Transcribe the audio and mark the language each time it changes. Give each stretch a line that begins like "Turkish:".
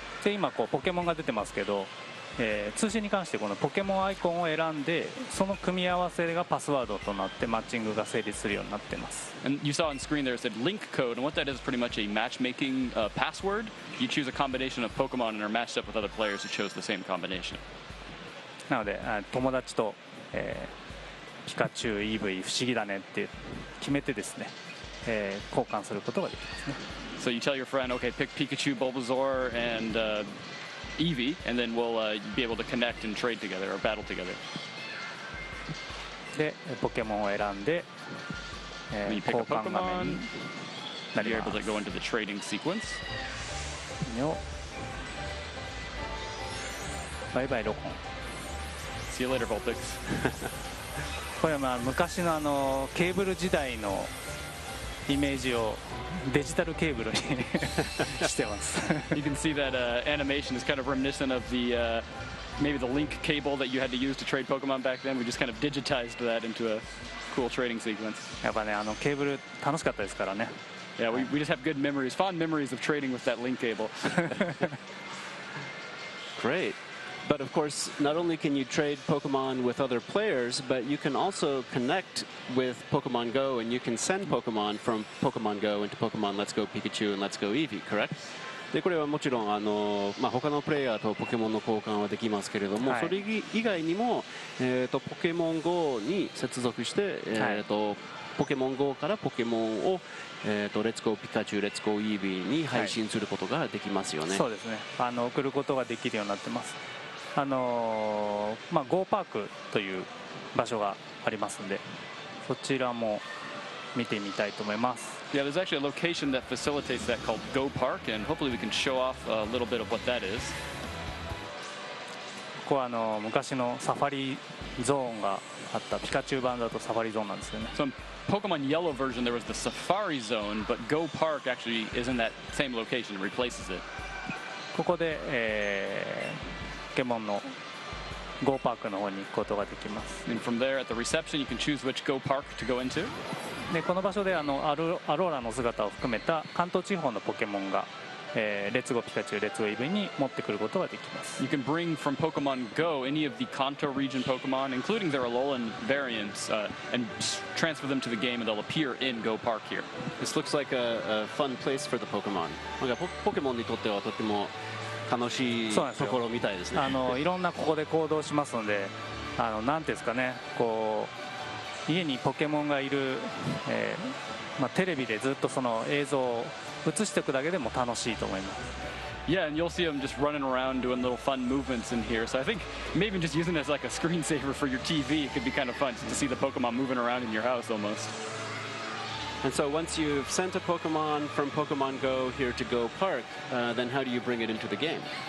Japanese: で、今こうポケモンが出てますけど、通信に関してこのポケモンアイコンを選んで、その組み合わせがパスワードとなってマッチングが成立するようになってます。
English: And you saw on screen there it said link code, and what that is pretty much a matchmaking, password. You choose a combination of Pokemon and are matched up with other players who chose the same combination.
Japanese: なので、友達と、ピカチュウ、イーブイ、不思議だねって決めてですね、交換することができますね。
English: So you tell your friend, okay, pick Pikachu, Bulbasaur, and, Eevee, and then we'll be able to connect and trade together or battle together.
Japanese: で、ポケモンを選んで、交換画面になります。
English: You're able to go into the trading sequence.
Japanese: よ。バイバイ、ロコン。
English: See you later, Voltix.
Japanese: これはまあ昔のあのケーブル時代のイメージをデジタルケーブルにしてます。
English: You can see that animation is kind of reminiscent of the maybe the link cable that you had to use to trade Pokemon back then. We just kind of digitized that into a cool trading sequence.
Japanese: やっぱね、あのケーブル楽しかったですからね。
English: Yeah, we just have good memories, fond memories of trading with that link cable. Great. But of course, not only can you trade Pokemon with other players, but you can also connect with Pokemon Go and you can send Pokemon from Pokemon Go into Pokemon Let's Go Pikachu and Let's Go Eevee, correct?
Japanese: で、これはもちろんあの、まあ、他のプレイヤーとポケモンの交換はできますけれども、はい、それ以外にも、ポケモン Go に接続して、はい、ポケモン GO からポケモンを、レッツゴーピカチュウ、レッツゴーイービーに配信することができますよね、はい、そうですね、送ることができるようになってます。まあ、GO パークという場所がありますので、そちらも見てみたいと思います。
English: Yeah, there's actually a location that facilitates that called Go Park, and hopefully we can show off a little bit of what that is.
Japanese: ここはあの昔のサファリゾーンがあった、ピカチュウ版だとサファリゾーンなんですよね。
English: So in Pokemon Yellow version, there was the Safari Zone, but Go Park actually is in that same location, it replaces it.
Japanese: ここで、ポケモンのGo Park の方に行くことができます。
English: And from there, at the reception, you can choose which Go Park to go into.
Japanese: で、この場所であのアローラの姿を含めた関東地方のポケモンが、レッツゴーピカチュウ、レッツゴーイーブイに持ってくることができます。
English: You can bring from Pokemon Go any of the Kanto region Pokemon, including their Alolan variants, and transfer them to the game, and they'll appear in Go Park here. This looks like a fun place for the Pokemon.
Japanese: ポケモンにとってはとても楽しいところみたいですね。いろんなここで行動しますので、なんていうんですかね、こう家にポケモンがいる、まあ、テレビでずっとその映像を映しておくだけでも楽しいと思います。
English: Yeah, and you'll see them just running around doing little fun movements in here. So I think maybe just using it as like a screensaver for your TV could be kind of fun to see the Pokemon moving around in your house almost. And so once you've sent a Pokemon from Pokemon Go here to Go Park, then how do you bring it into the game?